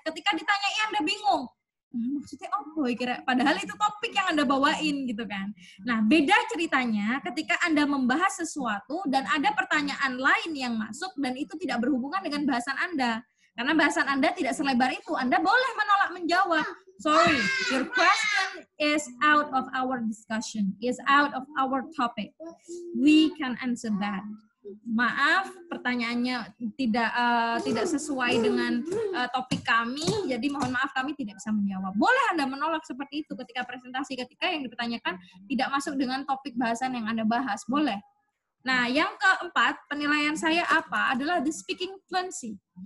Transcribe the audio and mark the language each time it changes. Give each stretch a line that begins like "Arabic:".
Indonesian: Ketika ditanyai, Anda bingung. Maksudnya,
English: oh boy,
Indonesian: kira. Padahal itu topik yang Anda bawain gitu kan. Nah, beda ceritanya ketika Anda membahas sesuatu dan ada pertanyaan lain yang masuk dan itu tidak berhubungan dengan bahasan Anda. Karena bahasan Anda tidak selebar itu, Anda boleh menolak menjawab.
English: Sorry, your question is out of our discussion, is out of our topic. We can answer that.
Indonesian: Maaf, pertanyaannya tidak sesuai dengan topik kami, jadi mohon maaf kami tidak bisa menjawab. Boleh Anda menolak seperti itu ketika presentasi, ketika yang dipertanyakan tidak masuk dengan topik bahasan yang Anda bahas, boleh. Nah, yang keempat, penilaian saya apa adalah
English: the speaking fluency.